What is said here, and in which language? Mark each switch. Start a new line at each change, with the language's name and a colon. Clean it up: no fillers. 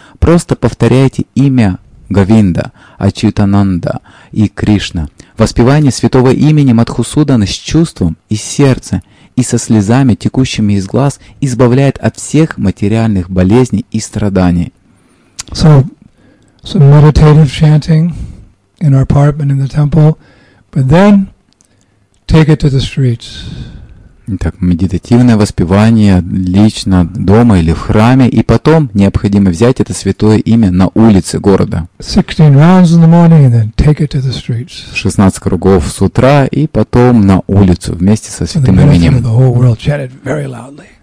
Russian: Просто повторяйте имя Говинда, Ачьютананда и Кришна. Воспевание святого имени Мадхусудана с чувством из сердца и со слезами, текущими из глаз, избавляет от всех материальных болезней и страданий.
English: So meditative chanting in our apartment in the temple, but then take it to the streets.
Russian: Итак, медитативное воспевание лично дома или в храме, и потом необходимо взять это святое имя на улице города. 16 кругов с утра, и потом на улицу вместе со святым именем.